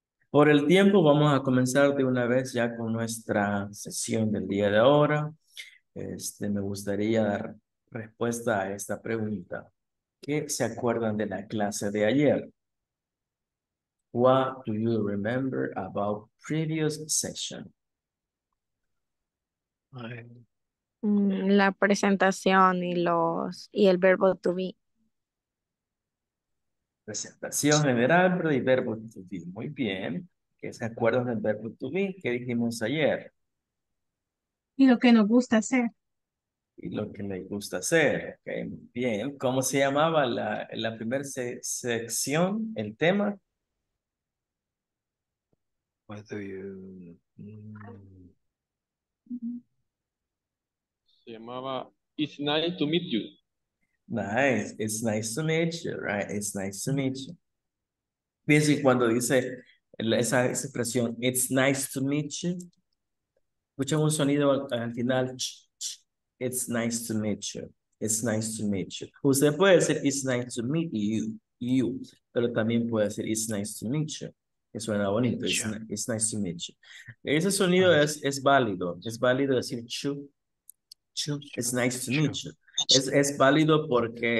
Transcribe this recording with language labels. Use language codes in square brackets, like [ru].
[es] Por el tiempo, vamos a comenzar de una vez ya con nuestra sesión del día de ahora. Me gustaría dar respuesta a esta pregunta. ¿Qué se acuerdan de la clase de ayer? [en] What do you remember about previous session? [es] La presentación y el verbo to be. Presentación general, pero y verbo to be. Muy bien. ¿Qué se acuerdan del verbo to be? ¿Qué dijimos ayer? Y lo que nos gusta hacer. Y lo que le gusta hacer. Okay, muy bien. ¿Cómo se llamaba la primera sección, el tema? [en] What do you... [es] Se llamaba [en] It's nice to meet you. Nice, it's nice to meet you, right? It's nice to meet you. [es] Piensa que cuando dice esa expresión, [en] it's nice to meet you, [es] escucha un sonido al final, ch -ch -ch. [en] It's nice to meet you, it's nice to meet you. [es] Usted puede decir, [en] it's nice to meet you, [es] pero también puede decir, it's nice to meet you, que suena bonito, Mitchell. [en] it's nice to meet you. [es] Ese sonido [en] Nice. [es] es válido decir, [en] chu, chu, it's nice to meet Chu. [es] you. Es válido porque